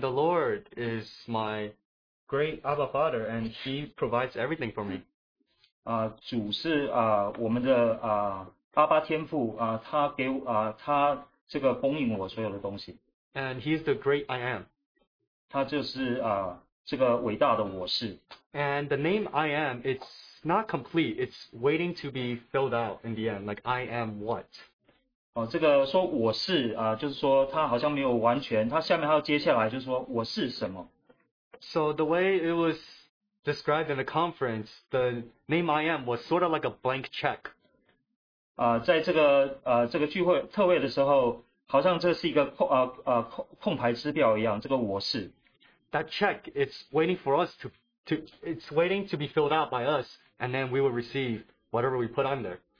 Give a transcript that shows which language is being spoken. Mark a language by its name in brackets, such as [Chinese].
[English] the Lord is my great Abba Father, and He provides everything for me. [Chinese] 主是我们的阿爸天父，他给我。这个供应我所有的东西。 [English] And He is the great I am. [Chinese] 他就是这个伟大的我是。 [English] And the name I am, it's not complete. It's waiting to be filled out in the end. Like, I am what? [Chinese] 这个说我是，就是说它好像没有完全。它下面还有接下来就是说我是什么。 [English] So the way it was described in the conference, the name I am was sort of like a blank check. [Chinese] 在这个聚会特会的时候, 好像这是一个空白支票一样，这个我是。 [English] That check, it's waiting for us to waiting to be filled out by us, and then we will receive whatever we put on there.